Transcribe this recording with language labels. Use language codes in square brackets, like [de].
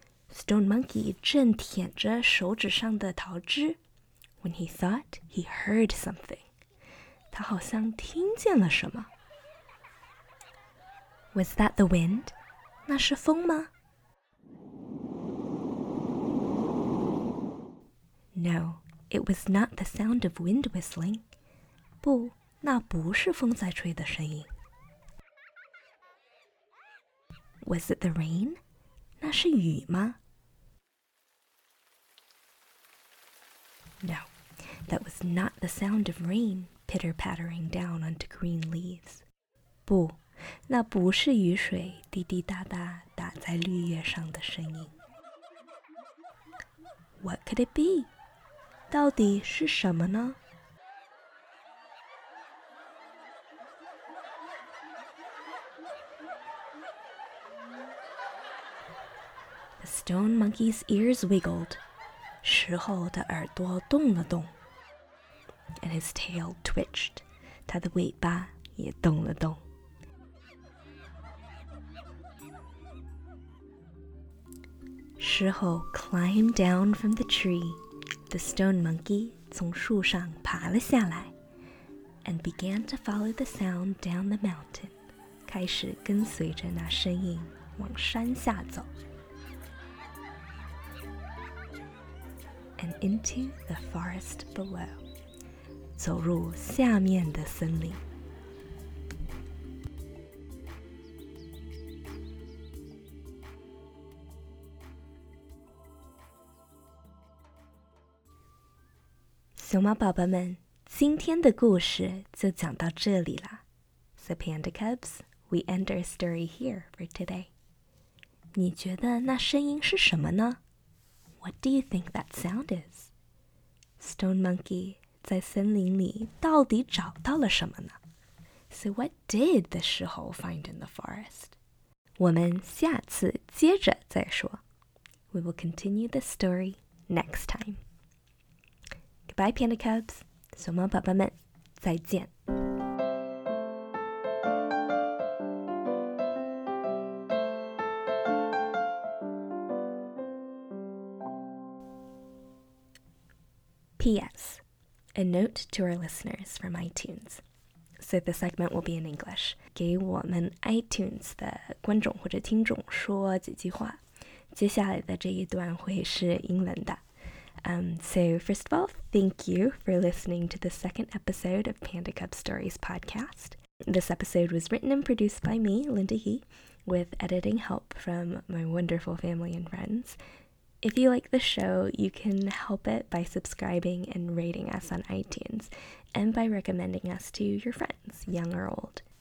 [en] Stone monkey [zh] 正舔着手指上的桃汁 [en] when he thought he heard something. [zh] 他好像听见了什么。 [en] Was that the wind? [zh] 那是风吗？ [en] No, it was not the sound of wind whistling. [zh] 不，那不是风在吹的声音。 [en] Was it the rain? [zh] 那是雨吗？ [en] No, that was not the sound of rain pitter-pattering down onto green leaves. [zh] 不，那不是雨水滴滴答答打在绿叶上的声音。 [en] What could it be? [zh] 到底是什么呢？ [en] The stone monkey's ears wiggled. [zh] 石猴的耳朵动了动。 [en] And his tail twitched. [zh] 他的尾巴也动了动。石猴 climbed down from the tree. [en] The stone monkey [zh] 从树上爬了下来 [en] and began to follow the sound down the mountain, [zh] 开始跟随着那声音往山下走 [en] and into the forest below, [zh] 走入下面的森林。熊猫宝宝们，今天的故事就讲到这里啦。 [en] So Panda Cubs, we end our story here for today. [zh] 你觉得那声音是什么呢？ [en] What do you think that sound is? [zh] Stone Monkey 在森林里到底找到了什么呢？ [en] So what did the 石猴find in the forest? [zh] 我们下次接着再说。 [en] We will continue the story next time. Bye, Panda Cubs. [zh] 熊猫宝宝们，再见。 [en] P.S. A note to our listeners from iTunes. So the segment will be in English. [zh] 给我们 iTunes 的观众或者听众说几句话。接下来的这一段会是英文的。 [en] So first of all, thank you for listening to the second episode of Panda Cub Stories podcast. This episode was written and produced by me, Linda He, with editing help from my wonderful family and friends. If you like the show, you can help it by subscribing and rating us on iTunes, and by recommending us to your friends, young or old.